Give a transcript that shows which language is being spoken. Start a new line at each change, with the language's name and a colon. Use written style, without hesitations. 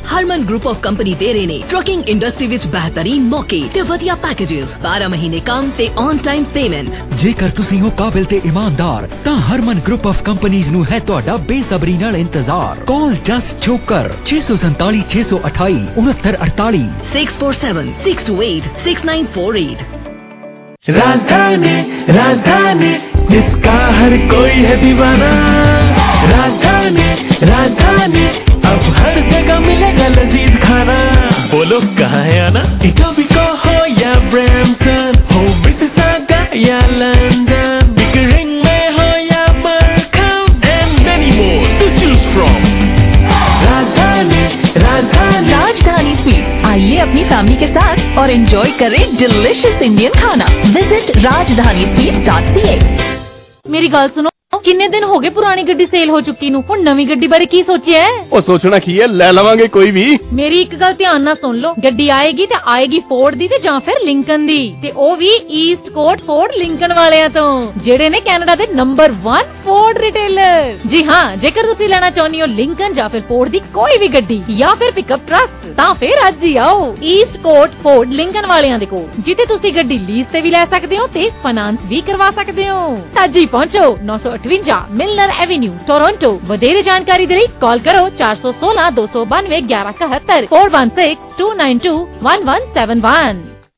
Punjabi: Harman group of company ਦੇ ਰਹੇ ਨੇ ਟਰੱਕਿੰਗ ਇੰਡਸਟਰੀ ਵਿੱਚ ਬਿਹਤਰੀਨ ਮੌਕੇ ਤੇ ਵਧੀਆ ਪੈਕੇਜਸ 12 ਮਹੀਨੇ ਕੰਮ ਤੇ ਔਨ ਟਾਈਮ ਪੇਮੈਂਟ ਜੇਕਰ ਤੁਸੀਂ ਹੋ ਕਾਬਿਲ ਤੇ ਇਮਾਨਦਾਰ ਤਾਂ ਹਰਮਨ ਗਰੁੱਪ ਆਫ ਕੰਪਨੀਜ਼ ਨੂੰ ਹੈ ਤੁਹਾਡਾ ਬੇਸਬਰੀ ਨਾਲ ਇੰਤਜ਼ਾਰ ਕਾਲ ਜਸ ਛੋਕਰ 647-628-6948 647-628-6948
Hindi: राजधानी राजधानी जिसका हर कोई है दीवाना राजधानी राजधानी अब हर जगह मिलेगा लजीज खाना बोलो कहाँ है आना इटोबिको हो या ब्रैम्पटन हो मिसिसागा या लंदन बिकरिंग में हो या मरकम
English: and many more to choose from
Hindi: राजधानी राजधानी राजधानी स्वीट्स आइए अपनी फैमिली के साथ और एंजॉय करें डिलिशियस इंडियन खाना विजिट राजधानी स्वीट्स .ca
Punjabi: मेरी गल सुनो ਕਿੰਨੇ ਦਿਨ ਹੋ ਗਏ ਪੁਰਾਣੀ ਗੱਡੀ ਸੇਲ ਹੋ ਚੁੱਕੀ ਨੂੰ ਹੁਣ ਨਵੀਂ ਗੱਡੀ ਬਾਰੇ ਕੀ ਸੋਚਿਆ ਉਹ ਸੋਚਣਾ ਕੀ ਹੈ ਲੈ ਲਵਾਂਗੇ ਕੋਈ ਵੀ ਮੇਰੀ ਇੱਕ ਗੱਲ ਧਿਆਨ ਨਾਲ ਸੁਣ ਲਓ ਗੱਡੀ ਆਏਗੀ ਤੇ ਆਏਗੀ ਫੋਰਡ ਦੀ ਤੇ ਜਾਂ ਫਿਰ ਲਿੰਕਨ ਦੀ ਤੇ ਉਹ ਵੀ ਈਸਟ ਕੋਟ ਫੋਰਡ ਲਿੰਕਨ ਵਾਲਿਆਂ ਤੋਂ ਜਿਹੜੇ ਨੇ ਕੈਨੇਡਾ ਦੇ ਨੰਬਰ 1 ਫੋਰਡ ਰਿਟੇਲਰ ਜੀ ਹਾਂ ਜੇਕਰ ਤੁਸੀਂ ਲੈਣਾ ਚਾਹੁੰਦੇ ਹੋ ਲਿੰਕਨ ਜਾਂ ਫਿਰ ਫੋਰਡ ਦੀ ਕੋਈ ਵੀ ਗੱਡੀ ਜਾਂ ਫਿਰ ਪਿਕਅਪ ਟਰੱਕ ਤਾਂ ਫਿਰ ਅੱਜ ਹੀ ਆਓ ਈਸਟ ਕੋਟ ਫੋਰਡ ਲਿੰਕਨ ਵਾਲਿਆਂ ਦੇ ਕੋਲ ਜਿੱਥੇ ਤੁਸੀਂ ਗੱਡੀ ਲੀਜ਼ ਤੇ ਵੀ ਲੈ ਸਕਦੇ ਹੋ ਤੇ ਫਾਈਨਾਂਸ ਵੀ ਕਰਵਾ ਸਕਦੇ ਹੋ ਤਾਂ ਜੀ ਪਹੁੰਚੋ 958 ਮਿਲਨਰ ਐਵੇਨਿਊ ਟੋਰਾਂਟੋ ਵਧੇਰੇ ਜਾਣਕਾਰੀ ਦੇ ਲਈ ਕਾਲ ਕਰੋ 416-292-1171 416-292-1171